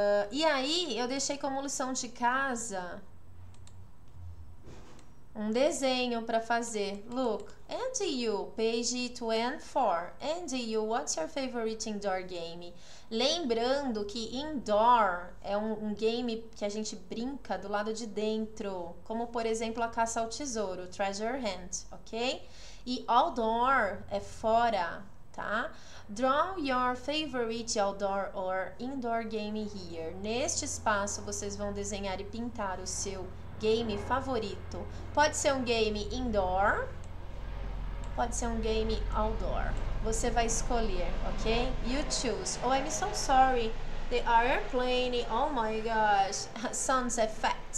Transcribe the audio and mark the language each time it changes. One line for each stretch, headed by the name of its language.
Portuguese: E aí eu deixei como lição de casa um desenho para fazer.
English: Look. And you, page 24. And you, what's your favorite indoor game?
Portuguese: Lembrando que indoor é um game que a gente brinca do lado de dentro, como por exemplo a caça ao tesouro, Treasure Hunt, ok? E outdoor é fora, tá?
English: Draw your favorite outdoor or indoor game here.
Portuguese: Neste espaço vocês vão desenhar e pintar o seu game favorito. Pode ser um game indoor. Pode ser um game outdoor. Você vai escolher, ok?
English: You choose. Oh, I'm so sorry. The airplane. Oh my gosh. Sounds effects.